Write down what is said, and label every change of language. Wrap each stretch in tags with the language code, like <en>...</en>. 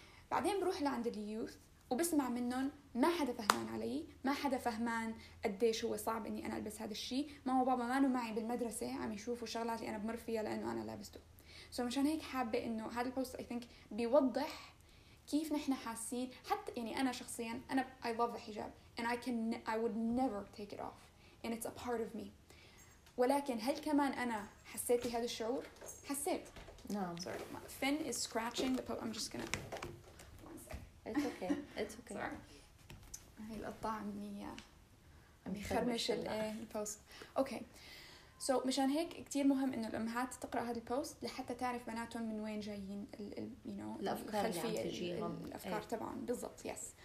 <ar>بعدين بروح لعند اليوث وبسمع منهم ما حدا فهمان علي ما حدا فهمان قديش هو صعب اني انا البس هذا الشيء. ماما وبابا مانوا معي بالمدرسة عم يشوفوا شغلات اللي انا بمر فيها لانه انا لابسته. سو مشان هيك حابة انه هذا البوست</ar> <en>I think</en> <ar>بيوضح كيف نحن حاسين. حتى يعني انا شخصيا انا</ar> <en>I love the hijab and I would never take it off and it's a part of me.</en> <ar>ولكن هل كمان أنا حسيت بهذا الشعور؟ حسيت. نعم.</ar> <en>Sorry. Finn is scratching the pillow. I'm just gonna. It's okay. It's okay.</en> <ar>هاي القطة عمي بخرمش البوست.</ar> <en>Okay.</en> <ar>So مشان هيك كتير مهم إنه الأمهات تقرأ هذا البوست لحتى تعرف بناتهم من وين جايين ال</ar> <en>you know.</en> <ar>الأفكار اللي عم تجيهم. الأفكار تبعهم بالضبط. Yes.</ar>